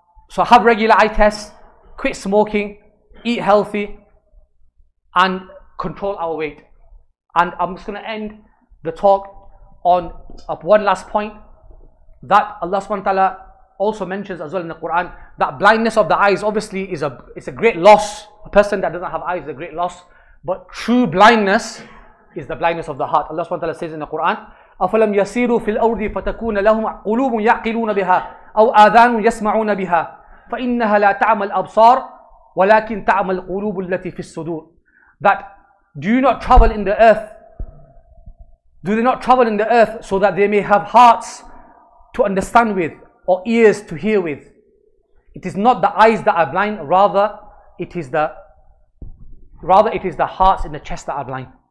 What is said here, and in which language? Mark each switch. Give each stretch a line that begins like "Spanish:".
English: So have regular eye tests, quit smoking, eat healthy, and control our weight. And I'm just going to end the talk on one last point that Allah subhanahu wa ta'ala also mentions as well in the Quran, that blindness of the eyes obviously is a great loss. A person that doesn't have eyes is a great loss. But true blindness is the blindness of the heart. Allah subhanahu wa ta'ala says in the Quran,
Arabic: أَفَلَمْ يَسِيرُوا فِي الْأَرْضِ فَتَكُونَ لَهُمْ قُلُوبٌ يَعْقِلُونَ بِهَا أَوْ آذَانٌ يَسْمَعُونَ بِهَا فَإِنَّهَا لَا تَعْمَى الْأَبْصَارُ وَلَكِنْ تَعْمَى الْقُلُوبُ الَّتِي فِي الصُّدُورِ.
English: That do you not travel in the earth? Do they not travel in the earth so that they may have hearts to understand with or ears to hear with? It is not the eyes that are blind, rather it is the hearts in the chest that are blind.